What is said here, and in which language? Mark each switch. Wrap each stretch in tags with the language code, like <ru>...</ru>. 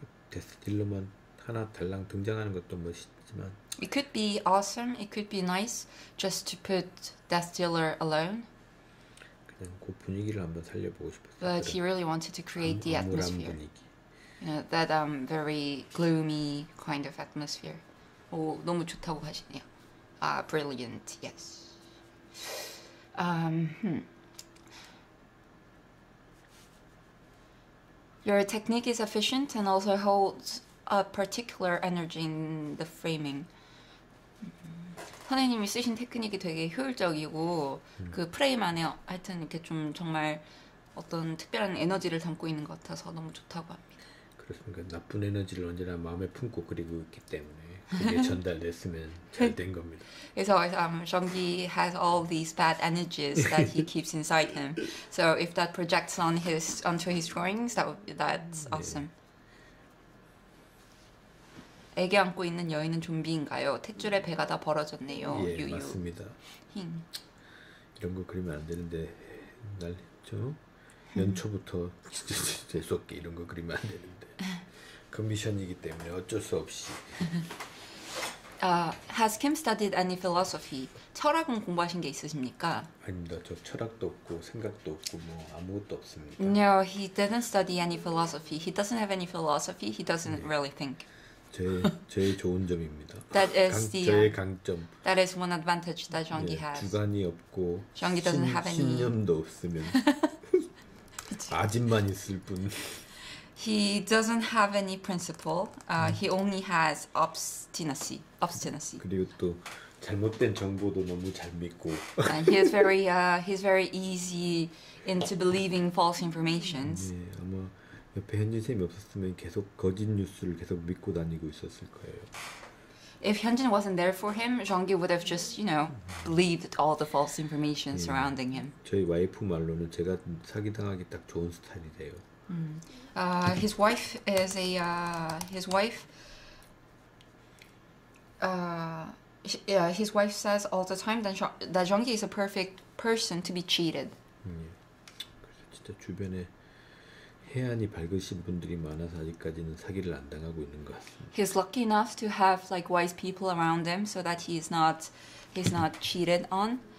<ko>데스딜러만 하나 달랑 등장하는 것도 멋있지만</ko> <en>It could be awesome, it could be nice just to put Death Dealer alone.</en> <ko>그냥 그 분위기를 한번 살려보고 싶었어요.</ko> <en>But he</en> <ko>그런</ko> <en>really wanted to create the</en> <ko>암울한</ko> <en>atmosphere.</en> <ko>분위기.</ko> <en>That very gloomy kind of atmosphere.</en> <ko>오, 너무 좋다고 하시네요.</ko> <en>Brilliant, yes. Your technique is efficient and also holds a particular energy in the framing.</en> <ko>선생님이 쓰신 테크닉이 되게 효율적이고, 그 프레임 안에 하여튼 이렇게 좀 정말 어떤 특별한 에너지를 담고 있는 것 같아서 너무 좋다고 그렇습니까? 나쁜 에너지를 언제나 마음에 품고 그리고 있기 때문에 그게 전달됐으면 잘된 겁니다.</ko> <en>So, Zhongyi has all these bad energies that he keeps inside him. So, if that projects onto his drawings, that's awesome.</en> <ko>애기 안고 있는 여인은 좀비인가요? 탯줄에 배가 다 벌어졌네요. 예, 유유. 맞습니다. 이런 거 그리면 안 되는데 날저 연초부터 진짜 재수없게 이런 거 그리면 안 되는데 커미션이기 때문에 어쩔 수 없이</ko> <en>Has Kim studied any philosophy?</en> <ko>철학은 공부하신 게 있으십니까? 아닙니다. 저 철학도 없고 생각도 없고 뭐 아무것도 없습니다.</ko> <en>No, he didn't study any philosophy. He doesn't have any philosophy. He doesn't</en> <ko>예,</ko> <en>really think.</en> <ko>제 좋은 점입니다.</ko> <en>That is the</en> <ko>저의 강점.</ko> <en>that is one advantage that Zhongyi</en> <ko>예,</ko> <en>has.</en> <ko>주관이 없고</ko> <en>Zhongyi doesn't have any.</en> <ko>신념도 없으면 그치. 아집만 있을 뿐.</ko> <en>He doesn't have any principle. He only has obstinacy. Obstinacy.</en> <ko>그리고 또 잘못된 정보도 너무 잘 믿고.</ko> <en>And he's very easy into believing false informations.</en> <ko>옆에 현진 쌤이 없었으면 계속 거짓 뉴스를 계속 믿고 다니고 있었을</ko> <en>If Hyunjin wasn't there for him, Jeonggi would have just, believed all the false information</en> <ko>거예요.</ko> <en>surrounding him.</en> <ko>저희 와이프 말로는 제가 사기당하기 딱 좋은 스타일이래요.</ko> <en>His wife. His wife says all the time that Jeonggi is a perfect person to be cheated.</en> <ko>진짜 주변에 혜안이 밝으신 분들이 많아서 아직까지는 사기를 안 당하고 있는 것</ko> <en>He's lucky enough to have like wise people around him so that he's not cheated on.</en>